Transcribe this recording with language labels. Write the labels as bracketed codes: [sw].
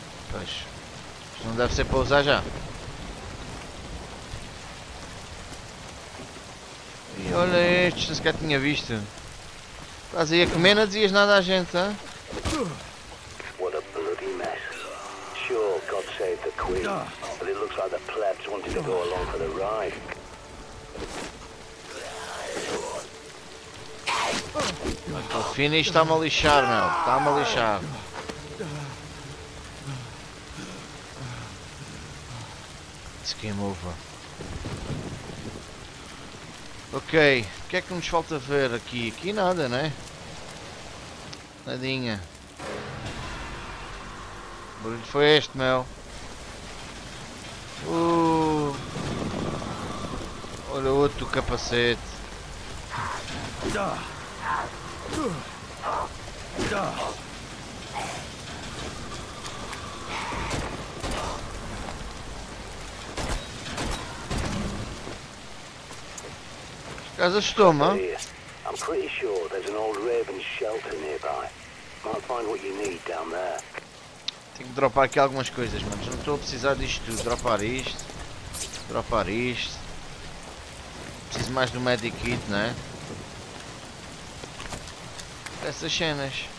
[pt] Pois, isto não deve ser para usar já. E olha estes, não sequer tinha visto. Estás aí a comer, não dizias nada à gente, hein? [en] What a bloody mess. Sure, God save the Queen. But it looks like the plebs wanted to go along for the ride. [pt] O finish está-me a lixar, meu. Está-me a lixar. [en] It's game over. [pt] Ok, o que é que nos falta ver aqui? Aqui nada, né? Nadinha. O barulho foi este, meu. Olha o outro capacete. Casa estoma. [en] I'm pretty sure there's an old raven shelter nearby. Might find what you need down there. [pt] Tenho que dropar aqui algumas coisas, mas não estou a precisar disto tudo. Dropar isto. Dropar isto. Preciso mais do medic kit, não é? Essas cenas.